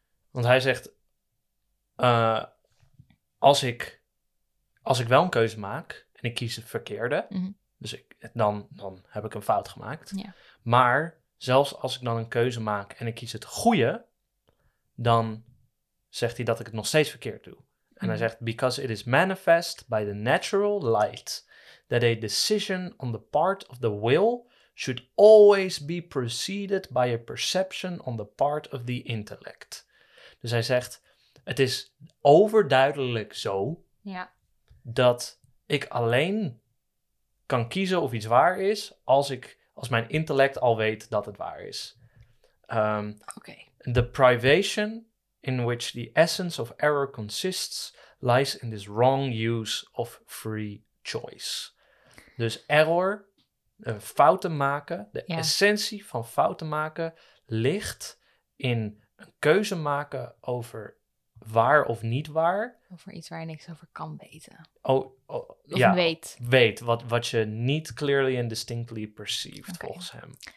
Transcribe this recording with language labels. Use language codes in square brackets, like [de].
[nl] Want hij zegt, als ik wel een keuze maak en ik kies het verkeerde, dus dan heb ik een fout gemaakt. Ja. Maar zelfs als ik dan een keuze maak en ik kies het goede, dan zegt hij dat ik het nog steeds verkeerd doe. En hij zegt, [en] because it is manifest by the natural light that a decision on the part of the will should always be preceded by a perception on the part of the intellect. [nl] Dus hij zegt, het is overduidelijk zo dat ik alleen kan kiezen of iets waar is als mijn intellect al weet dat het waar is. [en] Okay. The privation in which the essence of error consists lies in this wrong use of free choice. [nl] Dus error, fouten maken, de yeah. essentie van fouten maken ligt in een keuze maken over waar of niet waar. Over iets waar je niks over kan weten. Of yeah, weet. Weet, wat je niet [en] clearly and distinctly perceived, okay. [nl] volgens hem.